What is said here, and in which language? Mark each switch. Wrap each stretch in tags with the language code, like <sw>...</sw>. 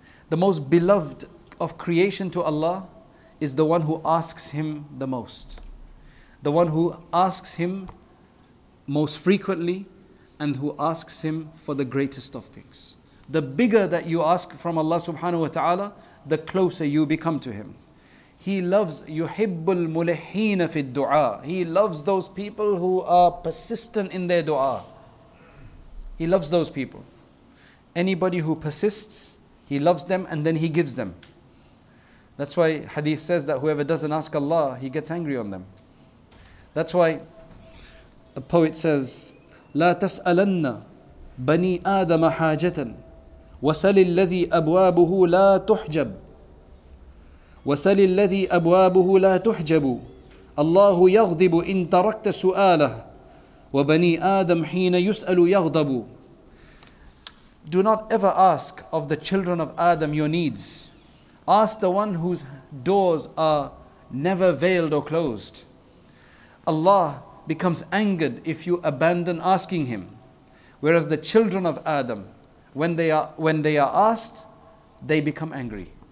<en>The most beloved of creation to Allah is the one who asks Him the most. The one who asks Him most frequently and who asks Him for the greatest of things. The bigger that you ask from Allah subhanahu wa ta'ala, the closer you become to Him. He loves</en> <ar>يُحِبُّ الْمُلِحِينَ فِي الدُّعَى.</ar> <en>He loves those people who are persistent in their dua. He loves those people. Anybody who persists, He loves them and then He gives them. That's why hadith says that whoever doesn't ask Allah, He gets angry on them. That's why a poet says,</en> <ar>لا تسألن بني آدم حاجة وسل الذي أبوابه لا تحجب وسل الذي أبوابه لا تحجب الله يغضب إن تركت سؤاله وبني آدم حين يسأل يغضب.</ar> <en>Do not ever ask of the children of Adam your needs. Ask the one whose doors are never veiled or closed. Allah becomes angered if you abandon asking Him. Whereas the children of Adam, when they are asked, they become angry.</en>